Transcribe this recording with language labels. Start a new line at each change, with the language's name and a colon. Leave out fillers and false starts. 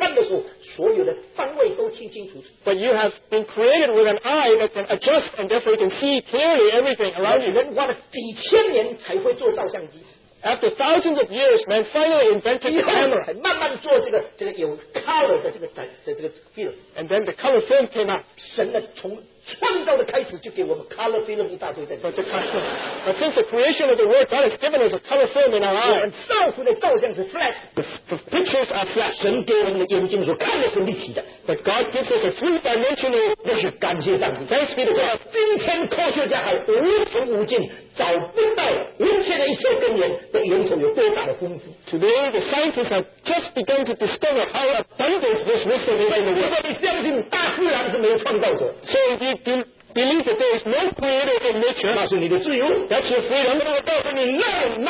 Chinese: 但是神很奇妙地把造成一个眼睛一看的时候，所有的方位都清清楚楚。
English: But you have been created with an eye that can adjust, and therefore you can see clearly everything around you.
Chinese: 人花了几千年才会做照相机。
English: After thousands of years, man finally invented the camera.
Chinese: 慢慢做这个有 color 的这个 film.
English: And then the color film came out.
Chinese: 神从创造的开始就给我们 color film 一大堆在里面。
English: But since the creation of the world, God has given us a color film in our eyes.
Chinese: 我们照出的照相是 flat.
English: The pictures are flat.
Chinese: 神给我们的眼睛所看的是立体的。
English: But God gives us a three-dimensional vision.
Chinese: 感谢上帝。
English: Thanks be to God.
Chinese: 今天科学家还无穷无尽找不到文献的一切根源。
English: Today, the scientists have just begun to discover how abundant this wisdom is in the world. So, if you believe that there is no creator in nature, that's your freedom.